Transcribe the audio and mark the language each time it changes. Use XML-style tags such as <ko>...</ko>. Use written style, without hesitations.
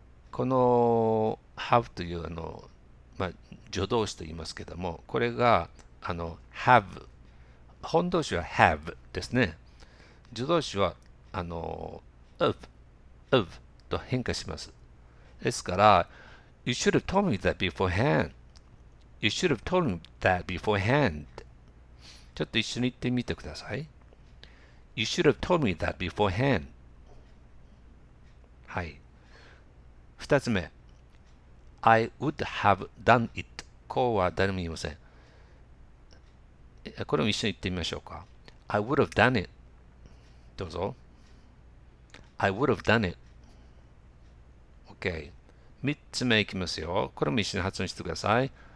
<ja>この have という助動詞と言いますけども、これが have、 本動詞は have ですね。助動詞はofof と変化します。</ja> <en>ですから、You should have told me that beforehand. You should have told me that beforehand.</en> <ja>ちょっと一緒に言ってみてください。</ja> <en>You should have told me that beforehand.</en> <ja>はい。</ja> <en>二つ目、 I would have done it.</en> <ja>こうは誰も言いません。これも一緒に言ってみましょうか。</ja> <en>I would have done it. どうぞ。 I would have done it. OK.</en> <ja>三つ目いきますよ。これも一緒に発音してください。</ja>